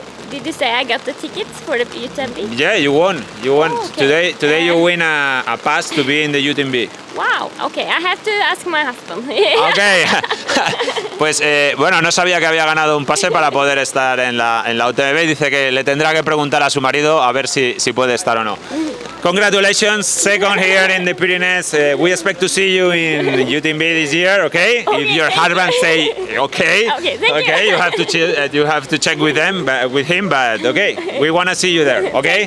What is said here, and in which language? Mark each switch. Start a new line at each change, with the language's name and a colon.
English: Did you say I got the tickets for the UTMB? Yeah, you won. You won. Oh, okay. Today you win a pass to be in the UTMB. Wow. Okay, I have to ask my husband. Okay.
Spanish: Pues bueno, no sabía que había ganado un pase para poder estar en la UTMB. Dice que le tendrá que preguntar a su marido a ver si puede estar o no.
English: Congratulations, second here in the Pyrenees. We expect to see you in UTMB this year, okay? Okay. If your husband say okay, okay, you have to check with them, with him, but okay, we want to see you there, okay?